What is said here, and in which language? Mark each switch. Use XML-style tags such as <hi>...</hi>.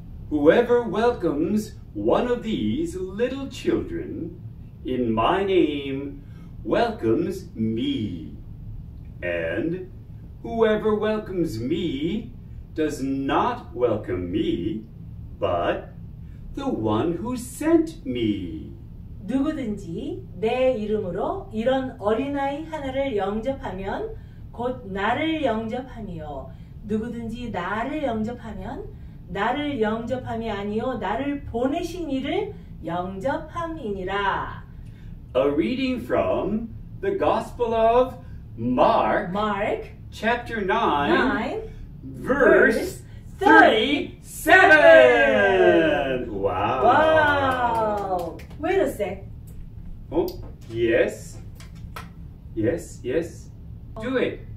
<en>Whoever welcomes one of these little children in my name welcomes me, and whoever welcomes me does not welcome me, but the one who sent me.</en> <ko>누구든지 내 이름으로 이런 어린아이 하나를 영접하면 곧 나를 영접하며 누구든지 나를 영접하면 나를 영접함이 아니요 나를 보내신 이를 영접함이니라.</ko> <en>A reading from the Gospel of Mark, chapter 9, verse 37. Wow. Wait a sec. Oh, yes. Yes, yes. Do it.</en>